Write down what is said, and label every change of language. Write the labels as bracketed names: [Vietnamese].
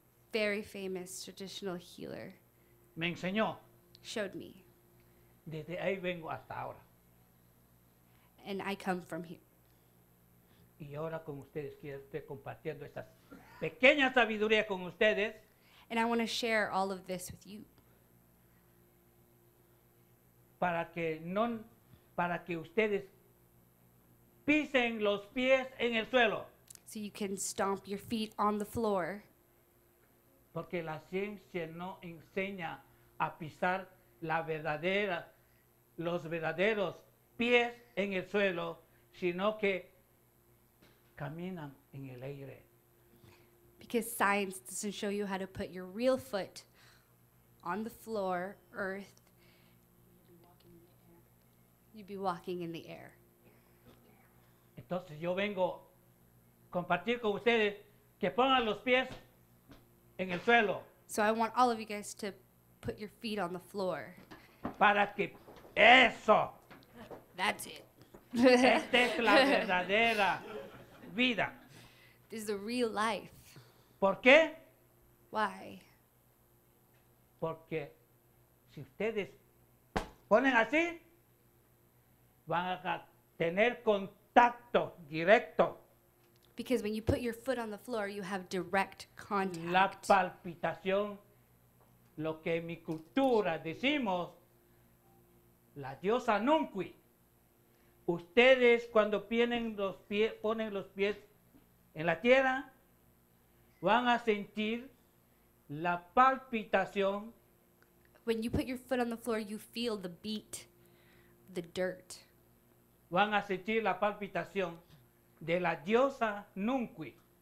[English] very famous traditional healer, [Spanish] me enseñó, [English] showed me. [Spanish] Desde ahí vengo hasta ahora. [English] And I come from here. [Spanish] Y ahora con ustedes quiero estar compartiendo estas pequeña sabiduría con ustedes. [English] And I want to share all of this with you. [Spanish] Para que no, para que ustedes pisen los pies en el suelo. [English] So you can stomp your feet on the floor. [Spanish] Porque la ciencia no enseña a pisar la verdadera, los verdaderos pies en el suelo, sino que caminan en el aire. [English] Because science doesn't show you how to put your real foot on the floor, earth. You'd be walking in the air. [Spanish] Entonces yo vengo a compartir con ustedes que pongan los pies en el suelo. [English] So I want all of you guys to put your feet on the floor. [Spanish] Para que eso. [English] That's it. [Spanish] Esta es la verdadera vida. [English] This is the real life. [Spanish] ¿Por qué? [English] Why? [Spanish] Porque si ustedes ponen así, van a tener contacto directo. [English] Because when you put your foot on the floor, you have direct contact. [Spanish] La palpitación, lo que en mi cultura decimos, la diosa Nunqui. Ustedes cuando ponen los pies en la tierra, van a sentir la palpitación. [English] When you put your foot on the floor, you feel the beat, the dirt. [Spanish] Van a sentir la palpitación de la diosa Nunqui.